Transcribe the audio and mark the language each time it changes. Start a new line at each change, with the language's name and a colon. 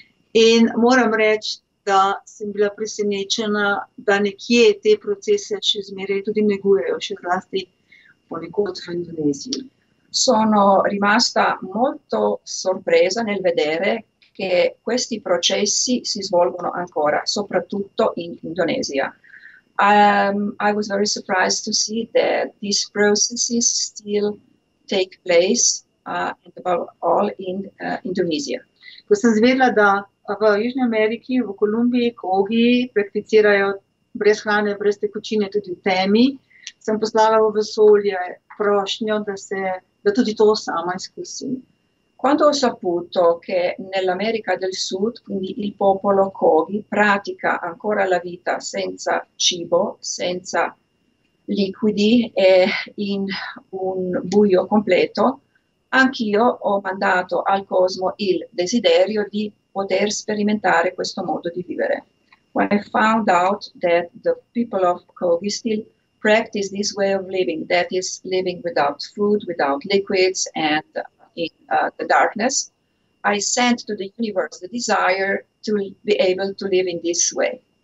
Slovenian: In moram reči, da sem bila presenečena, da nekje te procese še zmeraj tudi negujejo, še zlasti ponekod v Indoneziji.
Italian: Sono rimasta molto sorpresa nel vedere che questi processi si svolgono ancora, soprattutto in Indonesia.
English: I was very surprised to see that these processes still take place above all in Indonesia.
Slovenian: Ko sem zvedela, da v Južni Ameriki, v Kolumbiji, Kogi prakticirajo brez hrane, brez tekočine, tudi v temi, sem poslala v vesolje prošnjo, da tudi to sama izkusim.
Italian: Quando ho saputo che nell'America del Sud, quindi il popolo Kogi, pratica ancora la vita senza cibo, senza liquidi e in un buio completo, anch'io ho mandato al cosmo il desiderio di poter sperimentare questo modo di vivere.
English: When I found out that the people of Kogi still practice this way of living, that is living without food, without liquids and in the darkness, I sent to the universe the desire to be able to live in this way.